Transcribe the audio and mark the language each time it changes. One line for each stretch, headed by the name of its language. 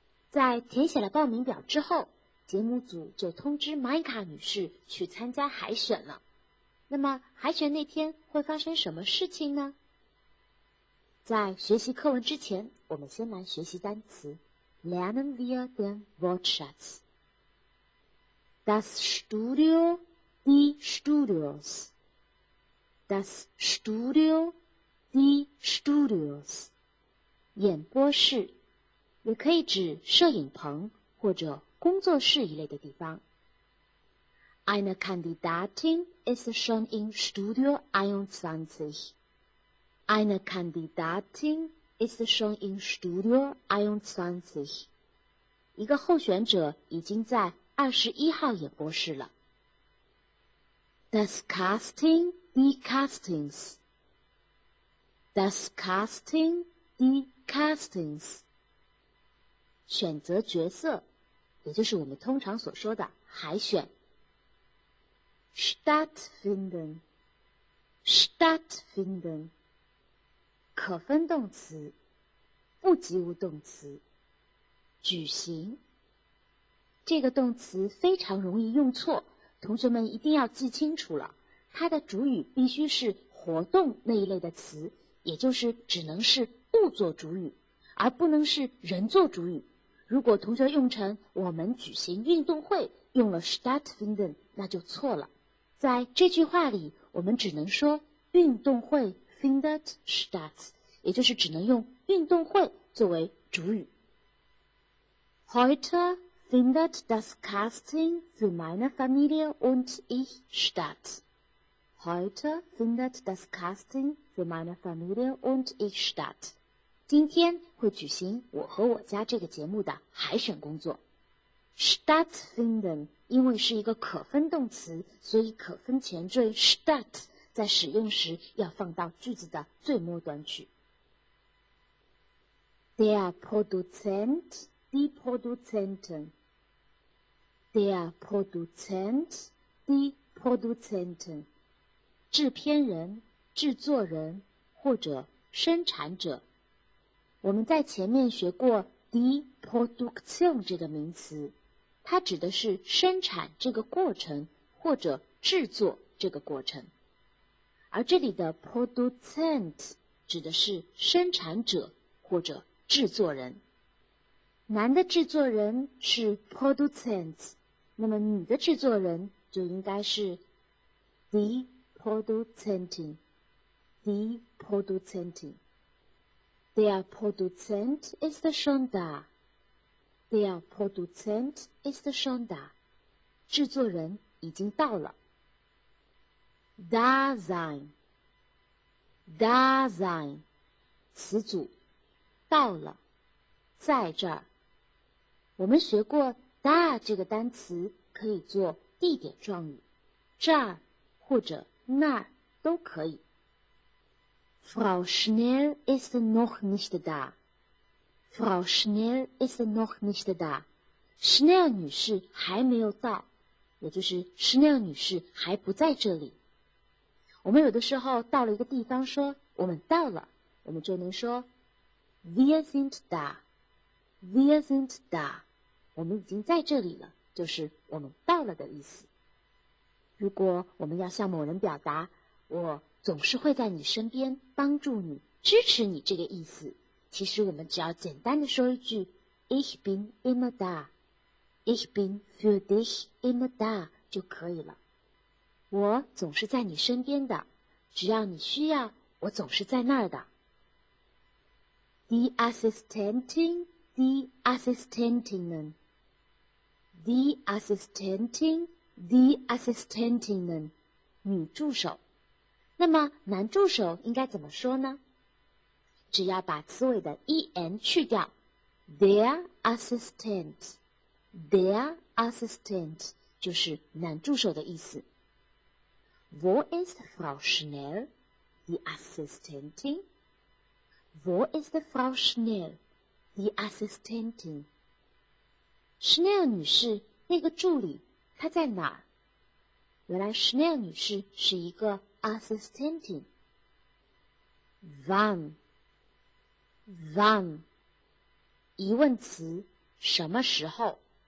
Chinese: 在填写了报名表之后，节目组就通知玛伊卡女士去参加海选了。那么海选那天会发生什么事情呢？在学习课文之前，我们先来学习单词。
German: Lernen wir den Wortschatz. Das Studio, die Studios. Das Studio, die Studios.
Chinese: 演播室，也可以指摄影棚或者工作室一类的地方。
German: Eine Kandidatin ist schon in Studio 21. Eine Kandidatin ist schon in Studio 21.
Chinese: 一个候选者已经在21号演播室了。
German: Das Casting, die Castings. Das Casting, die Castings.
Chinese: 选择角色，也就是我们通常所说的海选。
German: Stattfinden, stattfinden,
Chinese: 可分动词，不及物动词，举行。这个动词非常容易用错，同学们一定要记清楚了。它的主语必须是活动那一类的词，也就是只能是物做主语，而不能是人做主语。如果同学用成我们举行运动会，用了 stattfinden, 那就错了。在这句话里，我们只能说运动会
German: findet statt,
Chinese: 也就是只能用运动会作为主语。
German: Heute findet das Casting für meine Familie und ich statt. Heute findet das Casting für meine Familie und ich statt.
Chinese: 今天会举行我和我家这个节目的海选工作。
German: Stattfinden.
Chinese: 因为是一个可分动词，所以可分前缀 statt 在使用时要放到句子的最末端去。
German: Der Produzent, die Produzenten. Der Produzent, die Produzenten.
Chinese: 制片人、制作人或者生产者。我们在前面学过 die Produktion 这个名词，它指的是生产这个过程或者制作这个过程，而这里的 Produzent 指的是生产者或者制作人。男的制作人是 Produzent, 那么女的制作人就应该是
German: Die Produzentin, Die Produzentin. Der Produzent ist schon da. Der Produzent ist schon da.
Chinese: 制作人已经到了。
German: Da sein. Da sein.
Chinese: 词组到了，在这儿。我们学过 da 这个单词可以做地点状语，这儿或者那儿都可以。
German: Frau Schnell ist noch nicht da. Frau Schnell ist noch nicht da.
Chinese: Schnell 女士还没有到，也就是 Schnell 女士还不在这里。我们有的时候到了一个地方说我们到了，我们就能说
German: Wir sind da. Wir sind da.
Chinese: 我们已经在这里了，就是我们到了的意思。如果我们要向某人表达我总是会在你身边帮助你支持你这个意思，其实我们只要简单的说一句
German: Ich bin immer da, Ich bin für dich immer da
Chinese: 就可以了。我总是在你身边的，只要你需要，我总是在那儿的。
German: Die Assistentin, die Assistentinnen, die Assistentin, die Assistentinnen,
Chinese: 女助手。那么男助手应该怎么说呢？只要把词尾的 en 去掉
German: ，their assistant，their assistant
Chinese: 就是男助手的意思。
German: Wo ist Frau Schnell, die Assistentin? Wo ist Frau Schnell, die Assistentin?
Chinese: Schnell 女士，那个助理，她在哪儿？原来 Schnell 女士是一个 assistantin。
German: Wann?
Chinese: Wann? 疑问词什么时候。